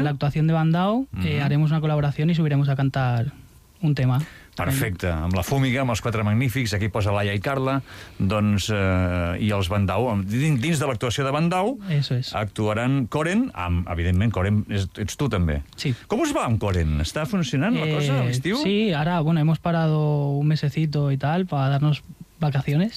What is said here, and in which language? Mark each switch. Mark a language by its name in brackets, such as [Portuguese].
[Spanish] La actuación de Bandao, haremos una colaboración y subiremos a cantar un tema. [Catalan] Perfecte, amb la Fúmiga, amb els Quatre Magnífics, aquí posa Laia i Carla, doncs, i els Bandao. Dins de l'actuació de Bandao, [Spanish] eso es. [Catalan] Actuaran Coren, evidentment, Coren, ets tu també. Sí. Com us va amb Coren? Està funcionant la cosa a l'estiu? [Spanish] Sí, ara, bueno, hemos parado un mesecito y tal para darnos vacaciones.